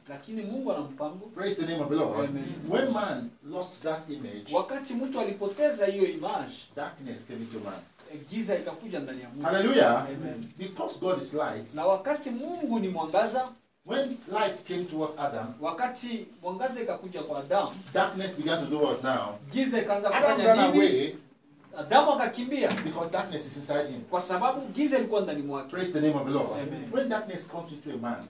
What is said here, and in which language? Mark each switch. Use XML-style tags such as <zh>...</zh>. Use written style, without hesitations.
<sw>Lakini Mungu ana mpango.</sw> <en>Praise the name of the Lord. Amen. When man lost that image,</en> <sw>wakati mtu alipoteza hiyo image,</sw> <en>darkness came into man.</en> <sw>Giza ikakuja ndani ya mtu.</sw> <en>Hallelujah. Amen. Because God is light.</en> <sw>Na wakati Mungu ni mwangaza,</sw> <en>when light came towards Adam,</en> <sw>wakati mwangaza ikakuja kwa Adam,</sw> <en>darkness began to do what now?</en> <sw>Giza ikaanza kufanya nini?</sw> <en>Adam ran away.</en> <sw>Adam akakimbia.</sw> <en>Because darkness is inside him.</en> <sw>Kwa sababu giza ilikuwa ndani mwake.</sw> <en>Praise the name of the Lord. Amen. When darkness comes into a man,</en>